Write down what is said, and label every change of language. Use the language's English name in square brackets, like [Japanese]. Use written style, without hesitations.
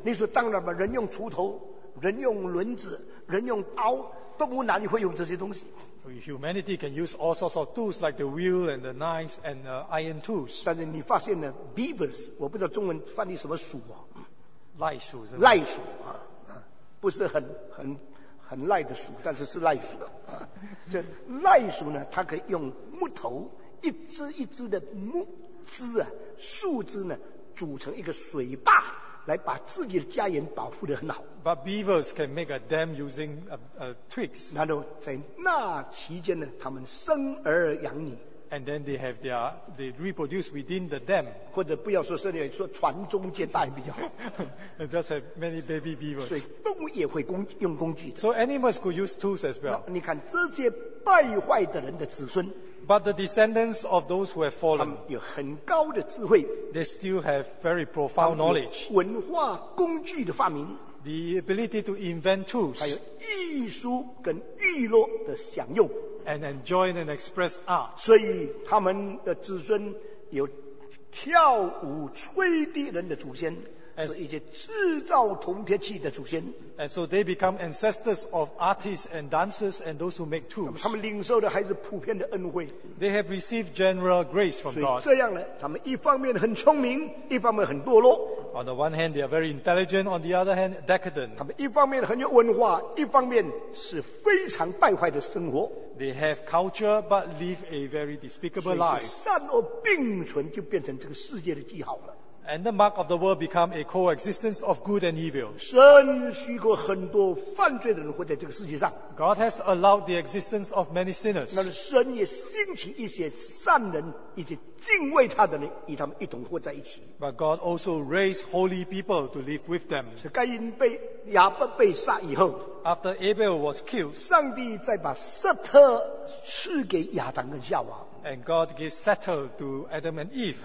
[Chinese] 你说当然吧，人用锄头，人用轮子，人用刀，动物哪里会用这些东西？ [English] Humanity can use all sorts of tools like the wheel and the knives and the iron tools. [Chinese] 但是你发现呢 ，beavers， 我不知道中文翻译什么鼠啊？赖鼠是吗？赖鼠啊，不是很赖的鼠，但是是赖鼠。这赖鼠呢，它可以用木头。一只一只的木枝啊，树枝呢，组成一个水坝，来把自己的家园保护得很好。 [English] But beavers can make a dam using twigs. [Chinese] 然后在那期间呢，他们生儿养女。 [English] And then they have they reproduce within the dam. [Chinese] 或者不要说生儿，说传宗接代比较好。 [English] And just have many baby beavers. [Chinese] 所以动物也会用工具的。 [English] So animals could use tools as well. [Chinese] 你看这些败坏的人的子孙。 [English] But the descendants of those who have fallen, [Chinese] 他们有很高的智慧。 [English] They still have very profound knowledge. [Chinese] 文化工具的发明。 [English] The ability to invent tools. [Chinese] 还有艺术跟娱乐的享用。 [English] And enjoy and express art. [Chinese] 所以他们的子孙有跳舞吹笛人的祖先。是一些制造铜铁器的祖先。 [English] And so they become ancestors of artists and dancers and those who make tools. [Chinese] 他们领受的还是普遍的恩惠。 [English] They have received general grace from God. [Chinese] 所以这样呢，他们一方面很聪明，一方面很堕落。 [English] On the one hand, they are very intelligent. On the other hand, decadent. [Chinese] 他们一方面很有文化，一方面是非常败坏的生活。 [English] They have culture, but live a very despicable life. [Chinese] 善恶并存就变成这个世界的记号了。 [English] And the mark of the world become a coexistence of good and evil. [Chinese] 神许过很多犯罪的人活在这个世界上。 [English] God has allowed the existence of many sinners. [Chinese] 那神也兴起一些善人以及敬畏他的人与他们一同活在一起。 [English] But God also raised holy people to live with them. [Chinese] 是该隐被亚伯被杀以后。 [English] After Abel was killed, [Chinese] 上帝再把撒特赐给亚当跟夏娃。 [English] And God gave settle to Adam and Eve.